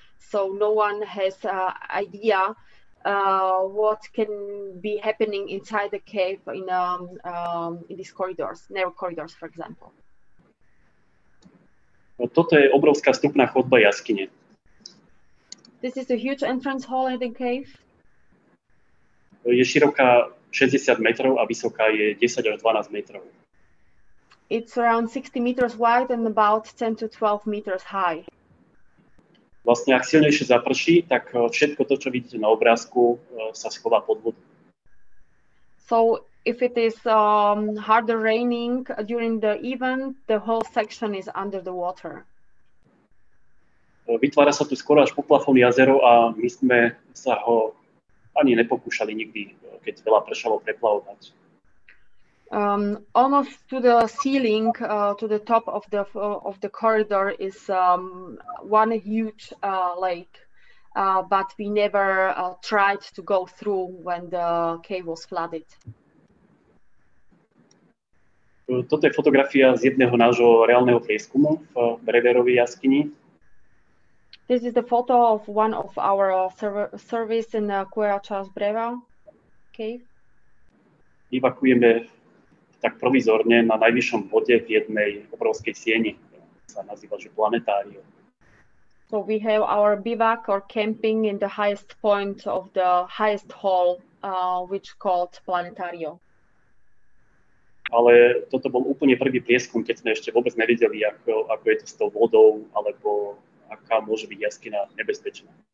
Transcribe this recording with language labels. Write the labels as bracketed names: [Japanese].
[English] So no one has idea what can be happening inside the cave in these corridors, narrow corridors, for example. [Slovak] No, toto je obrovská vstupná chodba jaskyne. [English] This is a huge entrance hall in the cave. [Slovak] Je široká 60 metrov a vysoká je 10 až 12 metrov. [English] It's around 60 meters wide and about 10 to 12 meters high. [Slovak] Vlastne, ak silnejšie zaprší, tak všetko to, čo vidíte na obrázku, sa schová pod vodu. [English] So if it is harder raining during the event, the whole section is under the water. [Slovak] Vytvára sa tu skoro až poplafón jazero a my sme sa ho ani nepokúšali nikdy, keď veľa pršalo, preplavovať. [English] Almost to the ceiling, to the top of the corridor is one huge lake, but we never tried to go through when the cave was flooded. [Slovak] Toto je fotografia z jedného nášho reálneho prieskumu v Breverovej jaskyni. [English] This is the photo of one of our surveys in Cueva Charles Brewer cave. [Slovak] Evakuujeme tak provizorne na najvyššom bode v jednej obrovskej sieni, ktorá sa nazýva že planetárium. [English] So we have our bivak or camping in the highest point of the highest hall, which called planetario. [Slovak] Ale toto bol úplne prvý prieskum, keď sme ešte vôbec nevideli, ako je to s tou vodou, alebo aká môže byť jaskyna nebezpečná.